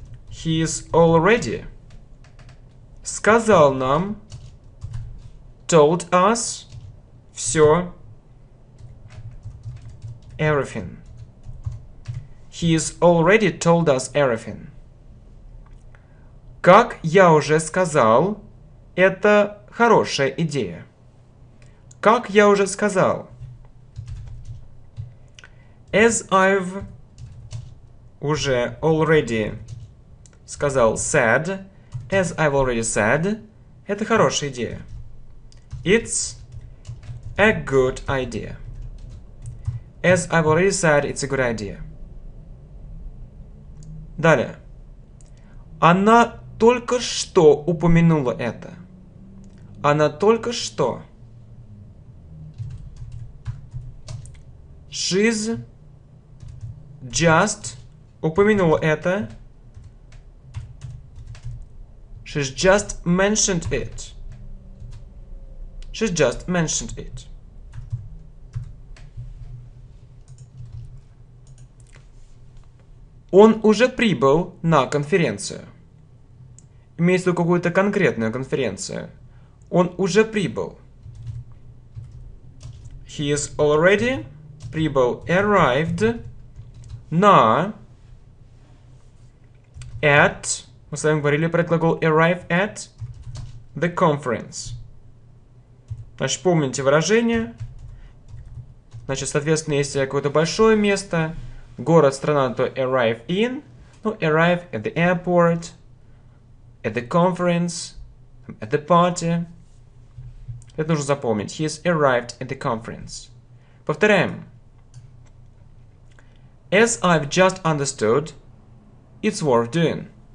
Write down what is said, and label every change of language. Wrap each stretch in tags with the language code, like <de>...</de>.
<en>He's already</en> <ru>сказал нам,</ru> <en>told us</en> <ru>все.</ru> <en>Everything. He has already told us everything.</en> <ru>Как я уже сказал, это хорошая идея. Как я уже сказал,</ru> <en>as I've</en> <ru>уже</ru> <en>already</en> <ru>сказал</ru> <en>said, as I've already said,</en> <ru>это хорошая идея.</ru> <en>It's a good idea. As I've already said, it's a good idea.</en> <ru>Далее. Она только что упомянула это. Она только что.</ru> <en>She's just</en> <ru>упомянула это.</ru> <en>She's just mentioned it. She's just mentioned it.</en> <ru>Он уже прибыл на конференцию. Имеется в виду какую-то конкретную конференцию. Он уже прибыл.</ru> <en>He is already</en> <ru>прибыл,</ru> <en>arrived</en> <ru>на</ru> <en>at.</en> <ru>Мы с вами говорили про глагол</ru> <en>arrive at the conference.</en> <ru>Значит, помните выражение. Значит, соответственно, если какое-то большое место, город, страна, то</ru> <en>arrive in. Ну, arrive at the airport, at the conference, at the party.</en> <ru>Это нужно запомнить.</ru> <en>He has arrived at the conference.</en> <ru>Повторяем.</ru> <en>As I've just understood, it's worth doing.</en>